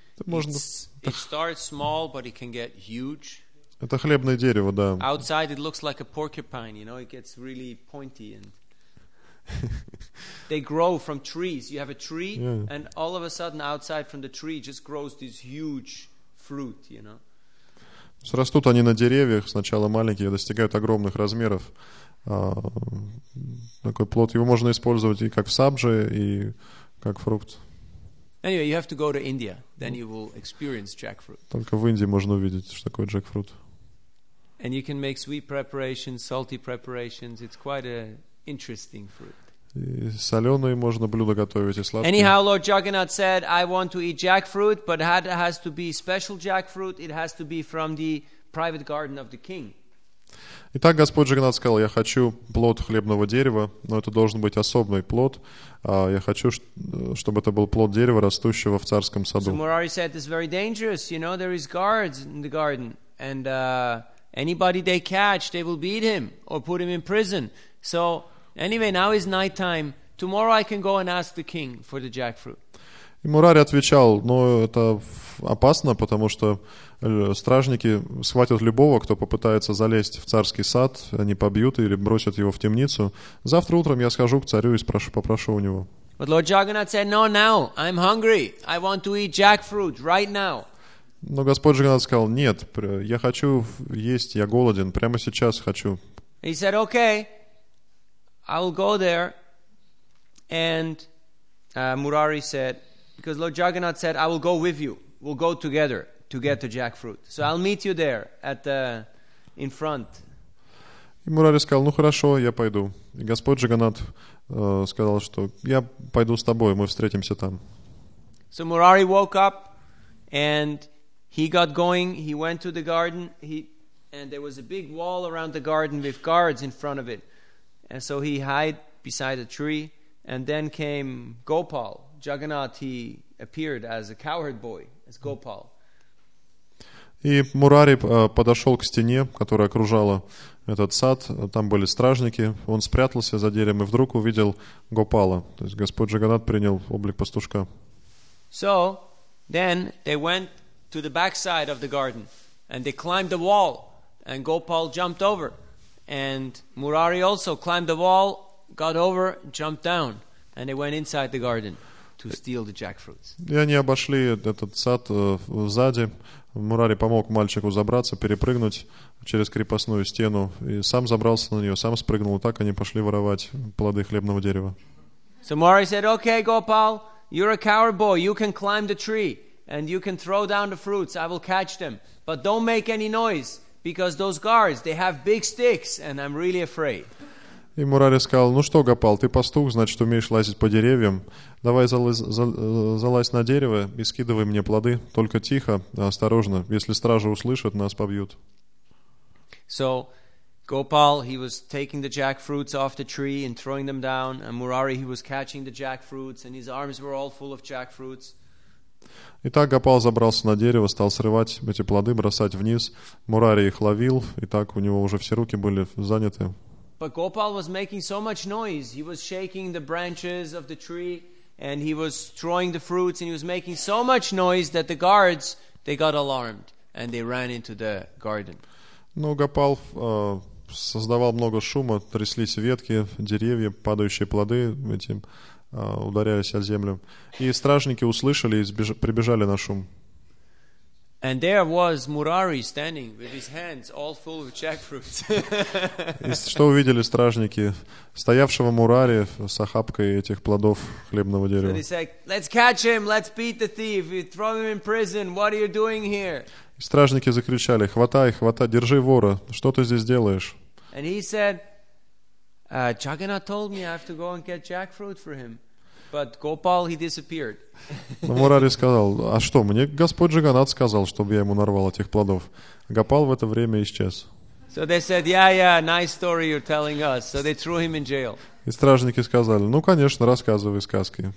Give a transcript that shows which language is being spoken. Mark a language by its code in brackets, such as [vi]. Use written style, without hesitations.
[en] It starts small, but it can get huge. [ru] Это хлебное дерево, да. [en] Outside it looks like a porcupine, you know, it gets really pointy and they grow from trees. You have a tree, yeah. And all of a sudden outside from the tree just grows this huge fruit, you know. [ru] Растут они на деревьях, сначала маленькие, достигают огромных размеров. Такой плод, его можно использовать и как в сабже, и как фрукт. [en] Anyway, you have to go to India, then you will experience jackfruit. [ru] Только в Индии можно увидеть, что такое джекфрут. [en] And you can make sweet preparations, salty preparations. It's quite an interesting fruit. [ru] И соленые можно блюда готовить и сладкие. [en] Anyhow, Lord Jagannath said, "I want to eat jackfruit, but it has to be special jackfruit. It has to be from the private garden of the king." [ru] Итак, Господь Джаганат сказал: "Я хочу плод хлебного дерева, но это должен быть особый плод. Я хочу, чтобы это был плод дерева, растущего в царском саду." [en] So Murari said, "It's very dangerous. You know, there is guards in the garden, and anybody they catch, they will beat him or put him in prison. So anyway, now is night time. Tomorrow I can go and ask the king for the jackfruit." [ru] И Мурари отвечал: "Но это опасно, потому что стражники схватят любого, кто попытается залезть в царский сад, они побьют или бросят его в темницу. Завтра утром я схожу к царю и спрошу, попрошу у него." [en] But Lord Jagannath said, "No, now. I'm hungry. I want to eat jackfruit right now." [ru] Но Господь Джаганатх сказал: "Нет, я хочу есть, я голоден, прямо сейчас хочу." [en] He said, "Okay, I'll go there." And Murari said, because Lord Jagannath said, "I will go with you. We'll go together to get the jackfruit. So I'll meet you there at the in front." [ru] И Мурари сказал: "Ну хорошо, я пойду." И Господь Джаганатх сказал, что я пойду с тобой, мы встретимся там. [en] So Murari woke up and he got going. He went to the garden. And there was a big wall around the garden with guards in front of it. And so he hid beside a tree. And then came Gopal. Jagannath, he appeared as a cowherd boy, as Gopal. [ru] И Мурари подошел к стене, которая окружала этот сад. Там были стражники. Он спрятался за деревом и вдруг увидел Гопала. То есть Господь Джаганатх принял облик пастушка. [en] So then they went to the backside of the garden, and they climbed the wall, and Gopal jumped over, and Murari also climbed the wall, got over, jumped down, and they went inside the garden to steal the jackfruits. [ru] И они обошли этот сад сзади. Мурари помог мальчику забраться, перепрыгнуть через крепостную стену, и сам забрался на нее, сам спрыгнул. Так они пошли воровать плоды хлебного дерева. [en] So Murari said, "Okay, Gopal, you're a coward boy. You can climb the tree. And you can throw down the fruits, I will catch them. But don't make any noise, because those guards, they have big sticks, and I'm really afraid." [ru] И Мурари сказал: "Ну что, Гопал, ты пастух, значит, умеешь лазить по деревьям. Давай залазь на дерево и скидывай мне плоды. Только тихо, осторожно. Если стражи услышат, нас побьют." [en] So Gopal, he was taking the jackfruits off the tree and throwing them down. And Murari, he was catching the jackfruits, and his arms were all full of jackfruits. [ru] Итак, Гопал забрался на дерево, стал срывать эти плоды, бросать вниз. Мурари их ловил, и так у него уже все руки были заняты. [en] But Gopal was making so much noise. He was shaking the branches of the tree, and he was throwing the fruits, and he was making so much noise that the guards, they got alarmed, and they ran into the garden. [ru] Но Гопал создавал много шума, тряслись ветки, деревья, падающие плоды, эти, ударяясь о землю. И стражники услышали и прибежали на шум. [en] And there was Murari standing with his hands all full of jackfruit. [ru] И что увидели стражники? Стоявшего Мурари с охапкой этих плодов хлебного дерева. [en] They said, "Let's catch him, let's beat the thief, we throw him in prison. What are you doing here?" [ru] И стражники закричали: "Хватай, хватай, держи вора. Что ты здесь делаешь?" [en] And he said, "Jagannath told me I have to go and get jackfruit for him." But Gopal, he disappeared. [ru] Мурари сказал: "А что, мне Господь Джаганнат сказал, чтобы я ему нарвал этих плодов?" Гопал в это время исчез. [en] So they said, "Yeah, nice story you're telling us." So they threw him in jail. [ru] И стражники сказали: "Ну, конечно, рассказывай сказки."